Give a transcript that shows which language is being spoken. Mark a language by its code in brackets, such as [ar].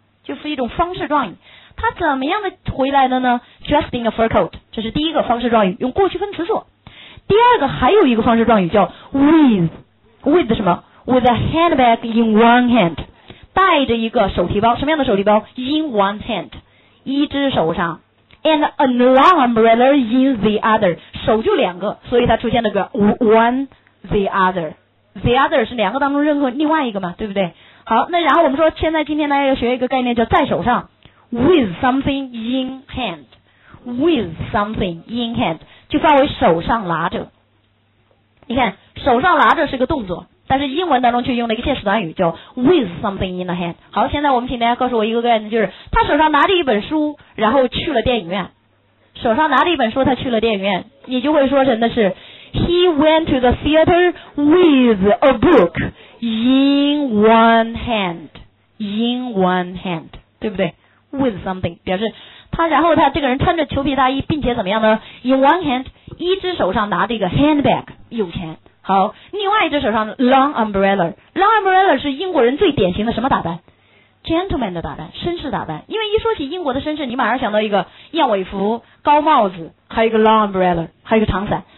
[zh] 就是一种方式状语。它怎么样的回来的呢？ [en] dressed in a fur coat， [zh] 这是第一个方式状语，用过去分词做。第二个还有一个方式状语叫 with 什么？ [en] With a handbag in one hand， [zh] 带着一个手提包，什么样的手提包？ In one hand， 一只手上。 [en] And an long umbrella in the other， [zh] 手就两个，所以它出现了个 one the other， the other 是两个当中任何另外一个嘛，对不对？好，那然后我们说现在今天大家要学一个概念叫在手上， [en] With something in hand， [zh] With something in hand 就范围手上拿着。你看手上拿着是个动作，但是英文当中却用了一个介词短语叫 [en] with something in the hand。 [zh] 好，现在我们请大家告诉我一个概念，就是他手上拿着一本书然后去了电影院。手上拿着一本书他去了电影院，你就会说成的是 [en] he went to the theater with a book in one hand， in one hand， 对不对？ [zh] with something 表示他，然后他这个人穿着裘皮大衣，并且怎么样呢？ in one hand， 一只手上拿着一个 handbag， 有钱。好，另外一只手上 long umbrella， long umbrella 是英国人最典型的什么打扮？ gentleman 的打扮，绅士打扮。因为一说起英国的绅士，你马上想到一个燕尾服、高帽子，还有一个 long umbrella， 还有一个长伞。